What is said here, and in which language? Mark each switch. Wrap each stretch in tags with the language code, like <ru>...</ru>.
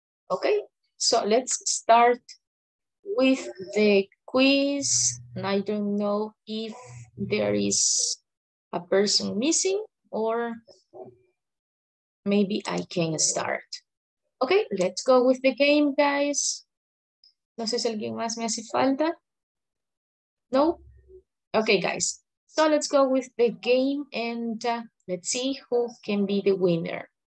<en>Okay, so let's start with the quiz. And I don't know if there is a person missing, or maybe I can start. Okay, let's go with the game, guys.</en> <es>No sé si alguien más me hace falta.</es> <en>No? Okay, guys. So let's go with the game and let's see who can be the winner.</en>